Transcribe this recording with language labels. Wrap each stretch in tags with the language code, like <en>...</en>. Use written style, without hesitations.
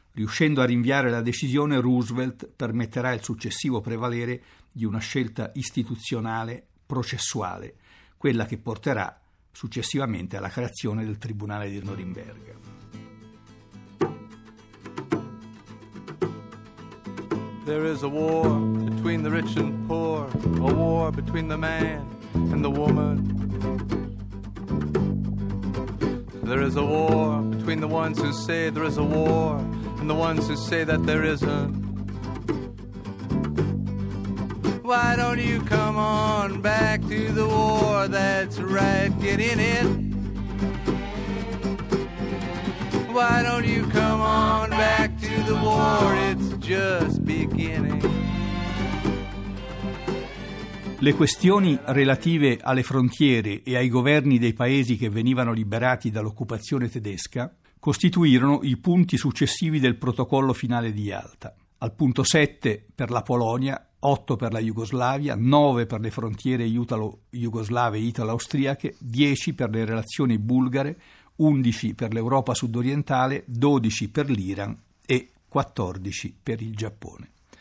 <it>Riuscendo a rinviare la decisione, Roosevelt permetterà il successivo prevalere di una scelta istituzionale, processuale, quella che porterà successivamente alla creazione del Tribunale di Norimberga.</it> <en>There is a war between the rich and poor, a war between the man and the woman. There is a war between the ones who say there is a war and the ones who say that there isn't. why don't you come on back to the war? That's right, get in it. Why don't you come on back to the war? It's just beginning.</en> <it>Le questioni relative alle frontiere e ai governi dei paesi che venivano liberati dall'occupazione tedesca costituirono i punti successivi del protocollo finale di Yalta. Al punto 7 per la Polonia, 8 per la Jugoslavia, 9 per le frontiere italo-jugoslave e italo-austriache, 10 per le relazioni bulgare, 11 per l'Europa sudorientale, 12 per l'Iran e 14 per il Giappone.</it>